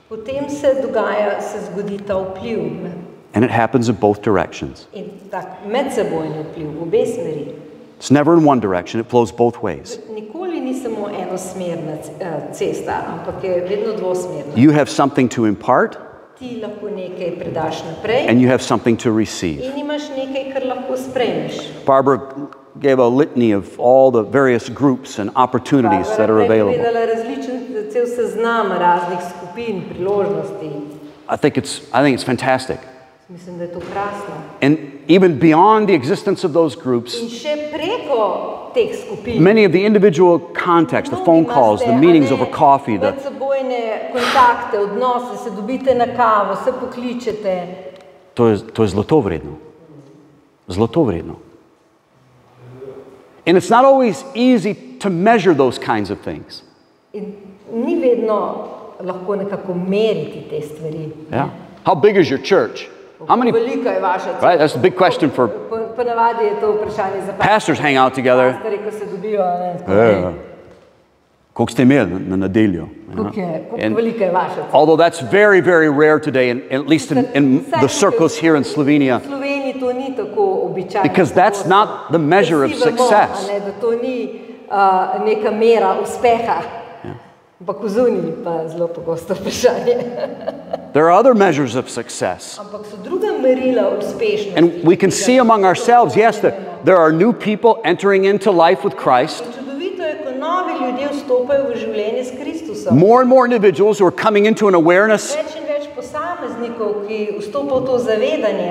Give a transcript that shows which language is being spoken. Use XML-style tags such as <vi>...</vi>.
<sl>Potem se dogaja, se zgodi ta vpliv.</sl> <en>And it happens in both directions.</en> <sl>In tak, medsebojni vpliv, v obe smeri.</sl> <en>It's never in one direction, it flows both ways.</en> <sl>Nikoli ni samo enosmerna cesta, ampak je vedno dvosmerna.</sl> <en>You have something to impart,</en> <sl>ti lahko nekaj predaš naprej,</sl> <en>and you have something to receive.</en> <sl>In imaš nekaj, kar lahko sprejmeš.</sl> <en>Barbara gave a litany of all the various groups and opportunities that are available.</en> <sl>Barbara je povedala različen cel seznam raznih skupin, priložnosti.</sl> <en>I think it's fantastic.</en> <sl>Mislim, da je to krasno.</sl> <en>And even beyond the existence of those groups,</en> <sl>in še preko teh skupin,</sl> <en>many of the individual contacts, the phone calls, the meetings over coffee, the</en> <sl>medsebojne kontakte, odnose, se dobite na kavo, se pokličete. To je zlato vredno. Zlato vredno.</sl> <en>And it's not always easy to measure those kinds of things.</en> <sl>In ni vedno lahko nekako meriti te stvari.</sl> <en>Yeah. How big is your church? How many,</en> <sl>velika je vaša crkva?</sl> <en>Right, that's a big question for</en> <sl>ponavadi je to vprašanje za</sl> <en>pastors hang out together.</en> <sl>Pastori, ko se dobijo, koliko ste imeli na nedeljo? Velika je vaša crkva?</sl> <en>Although that's very, very rare today, at least in the circles here in Slovenia.</en> <sl>V Sloveniji to ni tako običajno.</sl> <en>Because that's not the measure of success.</en> <sl>Ne, da to ni neka mera uspeha. Ampak v zuniji pa zelo pogosto vprašanje.</sl> <en>There are other measures of success.</en> <sl>Ampak so druga merila uspešnosti.</sl> <en>And we can see among ourselves, yes, that there are new people entering into life with Christ.</en> <sl>Čudovito je, ko novi ljudje vstopajo v življenje s Kristusom.</sl> <en>More and more individuals who are coming into an awareness,</en> <sl>več in več posameznikov, ki vstopajo v to zavedanje,</sl>